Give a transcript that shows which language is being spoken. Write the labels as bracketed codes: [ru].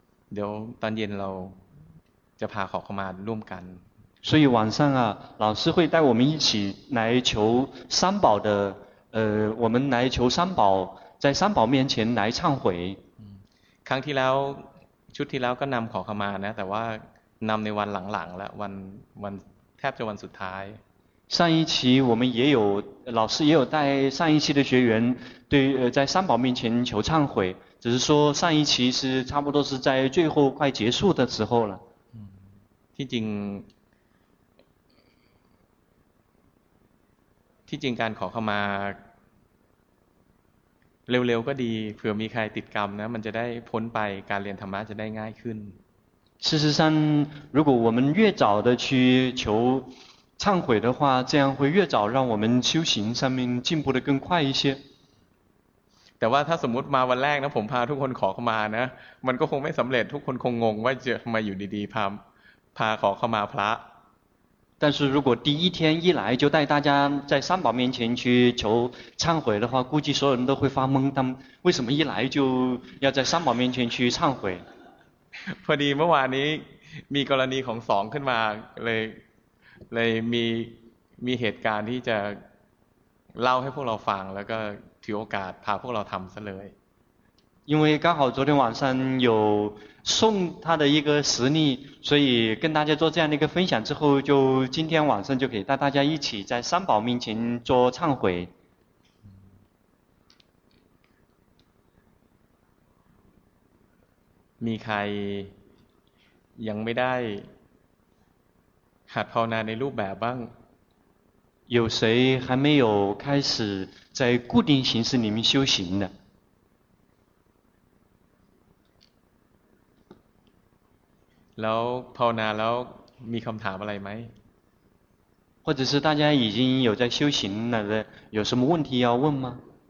[th] เดี๋ยวตอนเย็นเราจะพาขอขมาร่วมกัน [zh] 所以晚上啊老师会带我们一起来求三宝的我们来求三宝在三宝面前来忏悔 [th] ครั้งที่แล้วชุดที่แล้วก็นำขอขมานะแต่ว่านำในวันหลังๆแล้ววันแทบจะวันสุดท้าย [zh] 上一期我们也有老师也有带上一期的学员对在三宝面前求忏悔只是说上一期是差不多是在最后快结束的时候了 [th] ที่จริงที่จริงการขอขมาเร็วๆก็ดีเผื่อมีใครติดกรรมนะมันจะได้พ้นไปการเรียนธรรมะจะได้ง่ายขึ้น [zh] 事实上如果我们越早的去求忏悔的话这样会越早让我们修行上面进步的更快一些 [th] แต่ว่าถ้าสมมุติมาวันแรกนะผมพาทุกคนขอเข้ามานะมันก็คงไม่สำเร็จทุกคนคงงงว่าจะมาอยู่ดีๆพาขอเข้ามาพระ [zh] 但是如果第一天一来就带大家在三宝面前去求忏悔的话估计所有人都会发懵他们为什么一来就要在三宝面前去忏悔 [th] พอดีเมื่อวานนี้มีกรณีของสองขึ้นมาเลยมีเหตุการณ์ที่จะเล่าให้พวกเราฟังแล้วก็ถือโอกาสพาพวกเราทำซะเลย [zh] 因为刚好昨天晚上有送他的一个实例所以跟大家做这样的一个分享之后就今天晚上就可以带大家一起在三宝面前做忏悔 [th] มีใครยังไม่ได้หัดภาวนาในรูปแบบบ้าง [zh] 有谁还没有开始在固定形式里面修行的 [th] แล้วภาวนาแล้วมีคำถามอะไรไหม [zh] 或者是大家已经有在修行了的有什么问题要问吗